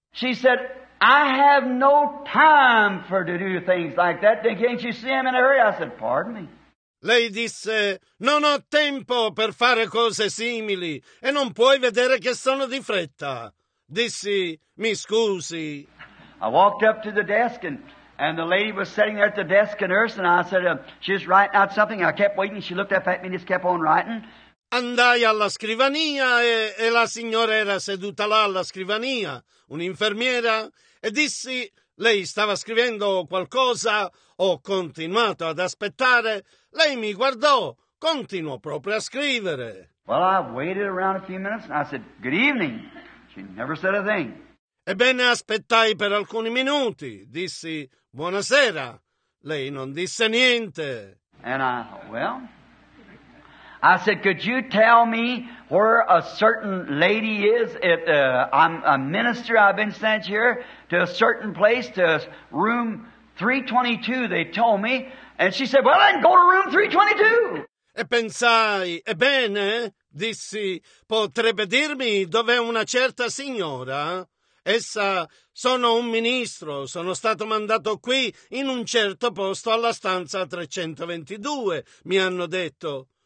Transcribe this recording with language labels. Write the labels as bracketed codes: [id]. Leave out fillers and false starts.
[en] She said, I have no time for to do things like that. Can't you see him in a hurry? I said, pardon me. [it] Lei disse, non ho tempo per fare cose simili e non puoi vedere che sono di fretta. Dissi, mi scusi. [en] I walked up to the desk and the lady was sitting there at the desk, a nurse, and I said, she was writing out something. I kept waiting. She looked up at me and just kept on writing. [it] Andai alla scrivania e la signora era seduta là alla scrivania, un'infermiera, e dissi, lei stava scrivendo qualcosa, ho continuato ad aspettare. Lei mi guardò, continuò proprio a scrivere. [en] Well, I waited around a few minutes and I said, good evening. She never said a thing. [it] Ebbene, aspettai per alcuni minuti. Dissi, buonasera. Lei non disse niente. [en] And I said, could you tell me where a certain lady is? I'm a minister. I've been sent here to a certain place, to room 322, they told me. And she said, well, then go to room 322. [it] E pensai, ebbene, dissi, potrebbe dirmi dov'è una certa signora? Essa, sono un ministro, sono stato mandato qui in un certo posto alla stanza 322, mi hanno detto.